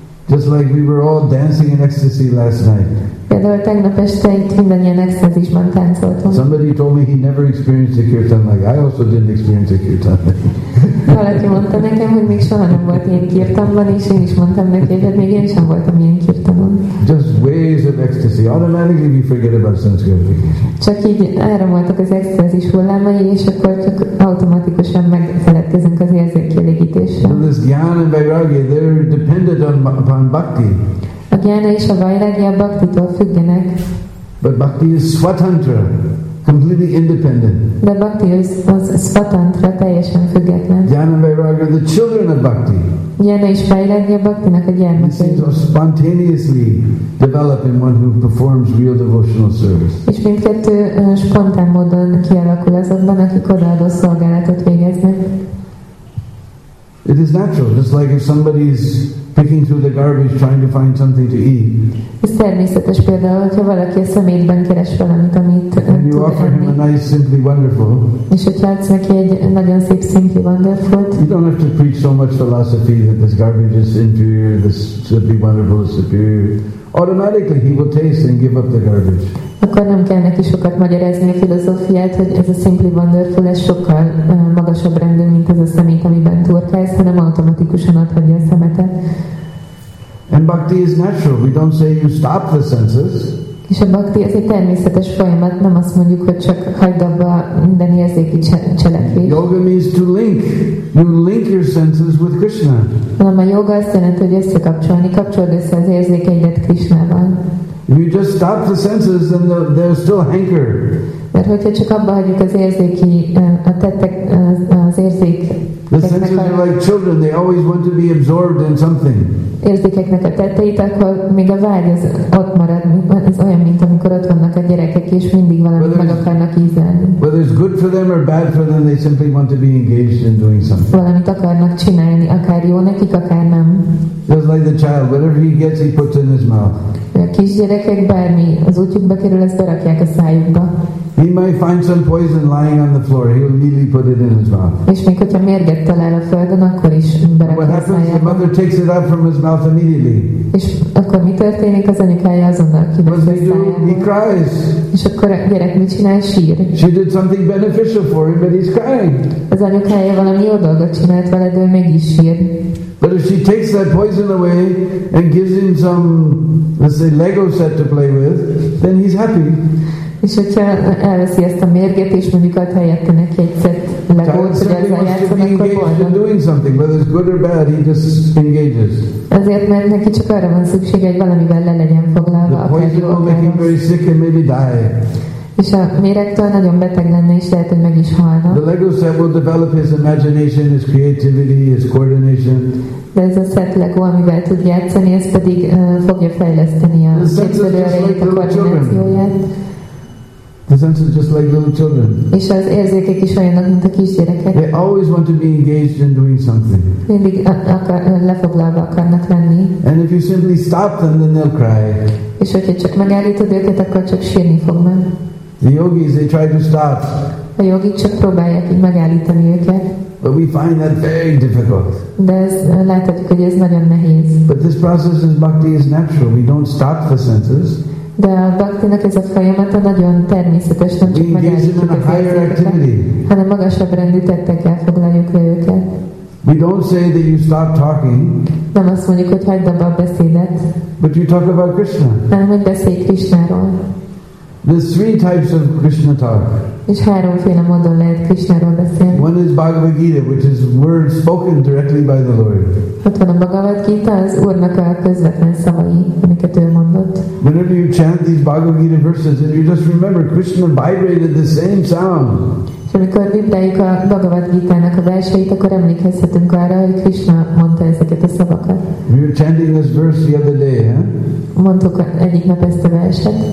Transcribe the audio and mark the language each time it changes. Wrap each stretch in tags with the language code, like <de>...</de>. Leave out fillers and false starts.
<en>Just like we were all dancing in ecstasy last night.</en> <hu>Például tegnap este itt mindannyian extázisban táncoltunk.</hu> <en>Somebody told me he never experienced a kirtan like I also didn't experience a kirtan.</en> <hu>Valaki mondta nekem, hogy még soha nem volt ilyen kirtanban, és én is mondtam neki, hogy még én sem voltam ilyen kirtanban.</hu> <en>Just waves of ecstasy. Automatically we forget about sense gratification.</en> <hu>Csak így áramoltak az extázis hullámai, és akkor csak automatikusan megfeledkezünk az érzékkielégítésre.</hu> <en>So this jnana and vairagya, they're dependent upon bhakti.</en> <hu>A jnana és a vairagya bhaktitól függenek.</hu> <en>But bhakti is svatantra. Completely independent. The bhakti is svatantra,</en> <hu>teljesen független.</hu> <en>Jnana and vairagya, the children of bhakti.</en> <hu>Jnana és vairagya bhaktinak a gyermekei.</hu> <en>It seems to spontaneously develop in one who performs real devotional service.</en> <hu>És mindkettő spontán módon kialakul azokban, akik odaadó szolgálatot végeznek.</hu> <en>It is natural, just like if somebody is picking through the garbage trying to find something to eat.</en> <hu>Ez természetes például, hogyha valaki a szemétben keres valamit, amit</hu> <en>and you offer him a nice simply wonderful.</en> <hu>És hogyha adsz neki egy nagyon szép simply wonderful.</hu> <en>You don't have to preach so much philosophy that this garbage is inferior, this simply wonderful is superior. Automatically he will taste and give up the garbage.</en> <hu>Akkor nem kell neki sokat magyarázni a filozófiát, hogy ez a simply wonderful, ez sokkal magasabb rendű, mint ez a szemét, amiben turkálsz, hanem automatikusan adhatja a szemetet.</hu> <en>And bhakti is natural. We don't say you stop the senses.</en> <hu>És a bhakti ez egy természetes folyamat, nem azt mondjuk, hogy csak hagyd abba minden érzéki cselekvés.</hu> <en>Yoga means to link. You link your senses with Krishna.</en> <hu>Nem, a yoga azt jelenti, hogy összekapcsolni, kapcsolod össze az érzékeidet Krishnával.</hu> <en>If you just stop the senses, then they're still hanker.</en> <hu>Mert hogyha csak abba hagyjuk az érzéki, a tettek, az érzék.</hu> <en>The senses are like children, they always want to be absorbed in something.</en> <hu>Érzékeknek a tetteit, akkor még a vágy az ott marad, az olyan, mint amikor ott vannak a gyerekek, és mindig valamit meg akarnak ízelni.</hu> <en>Whether it's good for them or bad for them, they simply want to be engaged in doing something.</en> <hu>Valamit akarnak csinálni, akár jó nekik, akár nem.</hu> <en>Just like the child, whatever he gets, he puts in his mouth.</en> <hu>A kisgyerekek bármi az útjukba kerül, ezt berakják a szájukba.</hu> <en>He might find some poison lying on the floor. He'll immediately put it in his mouth.</en> <hu>És még hogyha mérget talál a földön, akkor is berakja a szájába.</hu> <en>What happens? The mother takes it out from his mouth immediately.</en> <hu>És akkor mi történik? Az anyukája azonnal kiveszi a szájába.</hu> <en>He cries.</en> <hu>És akkor a gyerek mit csinál? Sír.</hu> <en>She did something beneficial for him, but he's crying.</en> <hu>Az anyukája valami jó dolgot csinált vele, de ő mégis sír.</hu> <en>But if she takes that poison away and gives him some, let's say, Lego set to play with, then he's happy.</en> <hu>És hogyha elveszi ezt a mérget, és mondjuk ad helyette neki egy szett legót, hogy ezzel játszom, akkor boldog.</hu> <en>Doing something, whether it's good or bad, he just engages.</en> <hu>Azért, mert neki csak arra van szüksége, hogy valamivel le legyen foglalva.</hu> <en>The poison will make him very sick and maybe die.</en> <hu>És a mérektől nagyon beteg lenne, és lehet, hogy meg is halna.</hu> <en>The Lego set will develop his imagination, his creativity, his coordination.</en> <hu>De ez a set Lego, amivel tud játszani, ez pedig fogja fejleszteni a képzelőrejét, a koordinációját.</hu> <en>The senses are just like little children.</en> <hu>És az érzékek is olyanok, mint a kisgyerekek.</hu> <en>They always want to be engaged in doing something.</en> <hu>Mindig lefoglalva akarnak lenni.</hu> <en>And if you simply stop them, then they'll cry.</en> <hu>És hogyha csak megállítod őket, akkor csak sírni fognak.</hu> <en>The yogis, they try to stop.</en> <hu>A yogik csak próbálják így megállítani őket.</hu> <en>But we find that very difficult.</en> <hu>De ezt láthatjuk, hogy ez nagyon nehéz.</hu> <en>But this process in bhakti is natural. We don't stop the senses.</en> <hu>De a bhaktinak ez a folyamata nagyon természetes, nem csak megállítjuk, hanem magasabb rendű tettekkel foglaljuk le őket.</hu> <en>We don't say that you stop talking.</en> <hu>Nem azt mondjuk, hogy hagyd abba a beszédet.</hu> <en>But you talk about Krishna.</en> <hu>Hanem, hogy beszélj Krishnáról.</hu> <en>There's three types of Krishna talk.</en> <hu>És háromféle módon lehet Krishnáról beszélni.</hu> <en>One is Bhagavad Gita, which is words spoken directly by the Lord.</en> <hu>Ott van a Bhagavad Gita, az Úrnak a közvetlen szavai, amiket ő mondott.</hu> <en>Whenever you chant these Bhagavad Gita verses, you just remember Krishna vibrated the same sound.</en> <hu>És amikor vibráljuk a Bhagavad Gita-nak a verseit, akkor emlékezhetünk arra, hogy Krishna mondta ezeket a szavakat.</hu> <en>We were chanting this verse the other day, huh?</en> <hu>Mondtuk egyik nap ezt a verset.</hu>